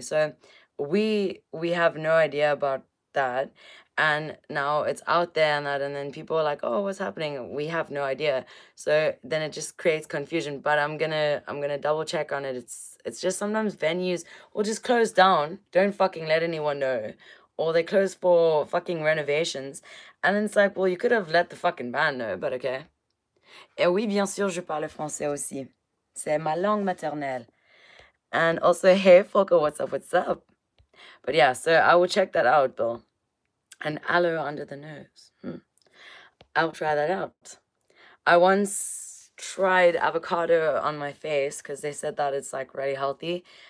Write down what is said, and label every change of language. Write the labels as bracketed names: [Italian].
[English] So we have no idea about that, and now it's out there and that, and then people are like, oh, what's happening? We have no idea. So then it just creates confusion. But I'm gonna double check on it. It's just sometimes venues will just close down, don't fucking let anyone know. Or they close for fucking renovations. And then it's like, well, you could have let the fucking band know, but okay. [French] Et oui, bien sûr, je parle français aussi. C'est ma langue maternelle. [English] And also, hey, Foco, what's up, what's up? But yeah, so I will check that out, Bill. An aloe under the nose. I'll try that out. I once tried avocado on my face because they said that it's like really healthy.